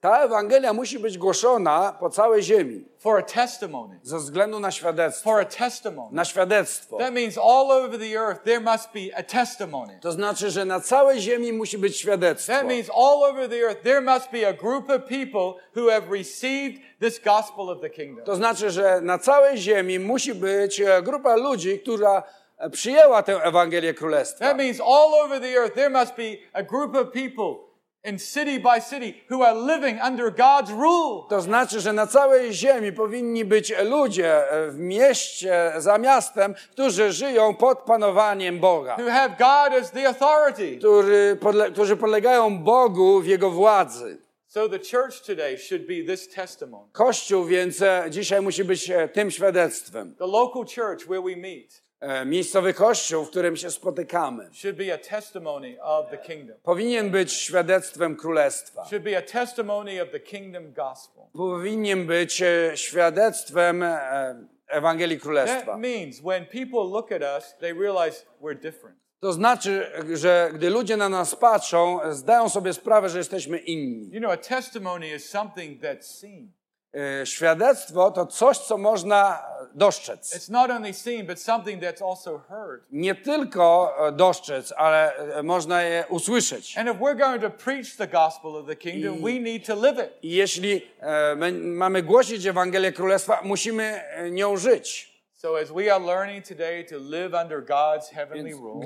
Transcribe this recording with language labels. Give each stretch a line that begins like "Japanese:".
Polish: Ta Ewangelia musi być głoszona po całej ziemi.
English: For a testimony.
Polish: Ze względu na świadectwo.
English: For a testimony.
Polish: Na świadectwo.
English: That means all over the earth there must be a testimony.
Polish: To znaczy, że na całej ziemi musi być świadectwo.
English: That means all over the earth there must be a group of people who have received this gospel of the kingdom.
Polish: To znaczy, że na całej ziemi musi być grupa ludzi, która przyjęła tę Ewangelię Królestwa.
English: That means all over the earth there must be a group of people in city by city who are living under God's rule.
Polish: To znaczy, że na całej ziemi powinni być ludzie w mieście za miastem, którzy żyją pod panowaniem Boga.
English: Who have God as the authority.
Polish: Którzy podlegają Bogu w jego władzy.
English: So the church today should be this testimony.
Polish: Kościół więc dzisiaj musi być tym świadectwem.
English: The local church where we meet.
Polish: Miejscowy kościół, w którym się spotykamy.
English: Should be a testimony of the kingdom.
Polish: Powinien być świadectwem królestwa.
English: Should be a testimony of the kingdom gospel.
Polish: Powinien być świadectwem Ewangelii Królestwa.
English: That means when people look at us, they realize we're different.
Polish: To znaczy, że gdy ludzie na nas patrzą, zdają sobie sprawę, że jesteśmy inni.
English: You know, a testimony is something that's seen.
Polish: Świadectwo to coś, co można dostrzec.
English: It's not only seen, but something that's also heard.
Polish: Nie tylko dostrzec, ale można je usłyszeć.
English: And if we're going to preach the gospel of the kingdom, we need to live it.
Polish: Jeśli mamy głosić Ewangelię Królestwa, musimy nią żyć.
English: So as we are learning today to live under God's heavenly rule.